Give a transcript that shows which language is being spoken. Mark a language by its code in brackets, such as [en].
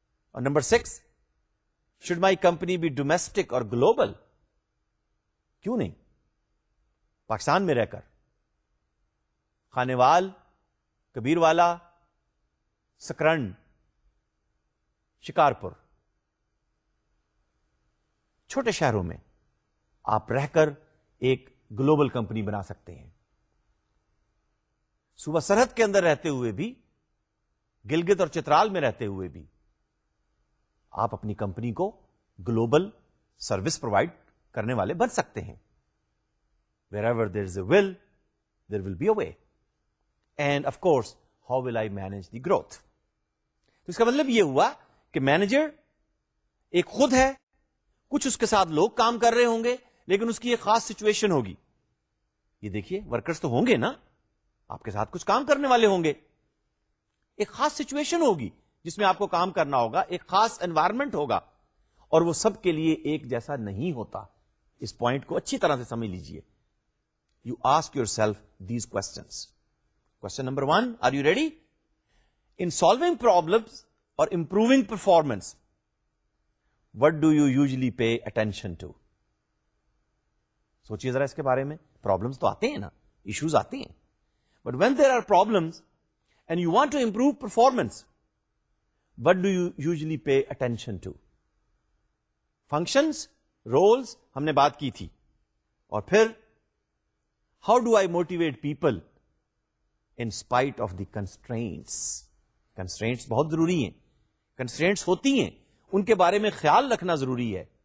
[ur] اور number 6, [en] should my company be domestic or global, [ur] کیوں نہیں, پاکستان میں رہ کر خانے وال, کبیر والا, سکرن, شکارپور, چھوٹے شہروں میں آپ رہ کر ایک گلوبل کمپنی بنا سکتے ہیں. صوبہ سرحد کے اندر رہتے ہوئے بھی, گلگت اور چترال میں رہتے ہوئے بھی, آپ اپنی کمپنی کو گلوبل سروس پرووائڈ کرنے والے بن سکتے ہیں. [en] Wherever there is a will, there will be a way. And of course, how will I manage the growth? [ur] تو اس کا مطلب یہ ہوا کہ مینیجر ایک خود ہے, کچھ اس کے ساتھ لوگ کام کر رہے ہوں گے, لیکن اس کی ایک خاص سچویشن ہوگی. یہ دیکھیے ورکرس تو ہوں گے نا, آپ کے ساتھ کچھ کام کرنے والے ہوں گے, ایک خاص سچویشن ہوگی جس میں آپ کو کام کرنا ہوگا, ایک خاص انوائرمنٹ ہوگا, اور وہ سب کے لیے ایک جیسا نہیں ہوتا. اس پوائنٹ کو اچھی طرح سے سمجھ لیجیے, [en] you ask yourself these questions. Question number one, are you ready? In solving problems or improving performance, what do you usually pay attention to? [ur] سوچیے ذرا اس کے بارے میں. Problems تو آتے ہیں نا, issues آتے ہیں. [en] But when there are problems and you want to improve performance, what do you usually pay attention to? Functions, roles, [ur] ہم نے بات کی تھی. اور پھر, [en] how do I motivate people in spite of the constraints? [ur] Constraints بہت ضروری ہیں. Constraints ہوتی ہیں, ان کے بارے میں خیال رکھنا ضروری ہے.